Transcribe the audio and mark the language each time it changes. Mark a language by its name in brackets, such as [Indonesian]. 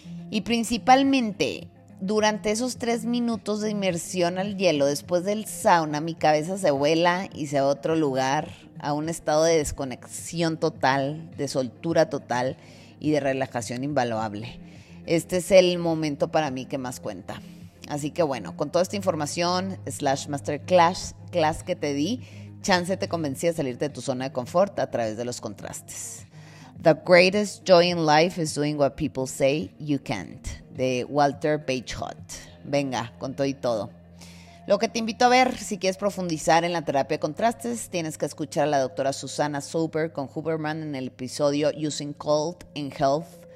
[Spanish] Y principalmente, durante esos 3 minutos de inmersión al hielo, después del sauna, mi cabeza se vuela y se va a otro lugar, a un estado de desconexión total, de soltura total y de relajación invaluable. Este es el momento para mí que más cuenta. Así que bueno, con toda esta información, slash masterclass class que te di, chance te convencí a salirte de tu zona de confort a través de los contrastes. [English] The greatest joy in life is doing what people say you can't, de Walter Bagehot. [Spanish] Venga, con todo y todo. Lo que te invito a ver, si quieres profundizar en la terapia de contrastes, tienes que escuchar a la doctora Susana Sober con Huberman en el episodio Using Cold in Health.